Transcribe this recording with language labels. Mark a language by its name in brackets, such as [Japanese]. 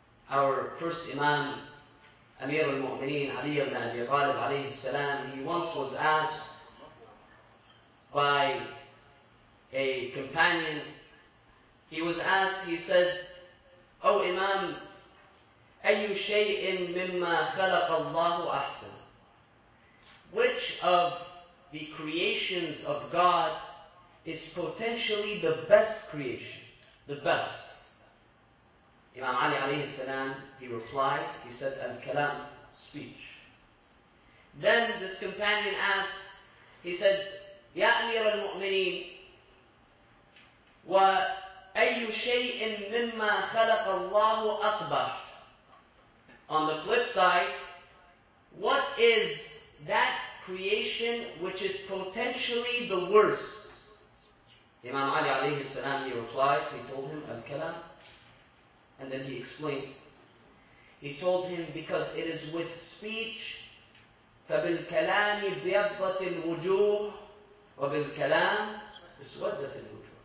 [English] Our first Imam, Amir al-Mu'mineen, Ali ibn Abi Talib alayhi salam, he once was asked by a companion, he said, O Imam, [Arabic] أَيُّ شَيْءٍ مِمَّا خَلَقَ اللَّهُ أَحْسَنُ. [English] Which of the creations of God is potentially the best creation? The best. Imam Ali alayhi salam, he replied, he said, Al-Kalam, speech. Then this companion asked, he said, [Arabic] يَا أَمِيرَ الْمُؤْمِنِينَ wa أَيُّ شَيْءٍ مِمَّا خَلَقَ اللَّهُ أَقْبَحُ. [English] On the flip side, what is that creation which is potentially the worst? Imam Ali alayhi salam, he replied, he told him, Al-Kalam. And then he explained. He told him, because it is with speech, [Arabic] فَبِالْكَلَامِ بِيَضَّةِ الْوُجُوهِ وَبِالْكَلَامِ اسْوَدَّةِ الْوُجُوهِ.